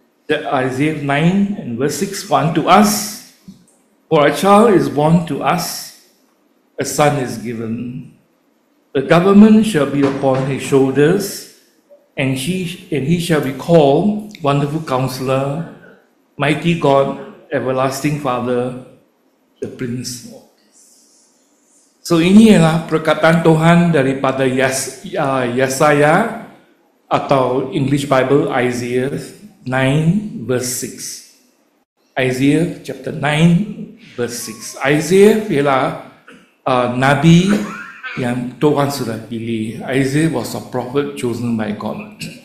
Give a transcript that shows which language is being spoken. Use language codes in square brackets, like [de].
[en] Isaiah 9 and verse 6, for unto us, for a child is born to us, a son is given. The government shall be upon his shoulders, And he shall be called Wonderful Counselor, Mighty God, Everlasting Father, the Prince. [ms] So ini ialah perkataan Tuhan daripada Yesaya atau [en] English Bible Isaiah 9 verse 6. Isaiah chapter 9 verse 6. [ms] Isaiah ialah nabi yang Tuhan sudah pilih. [en] Isaiah was a prophet chosen by God.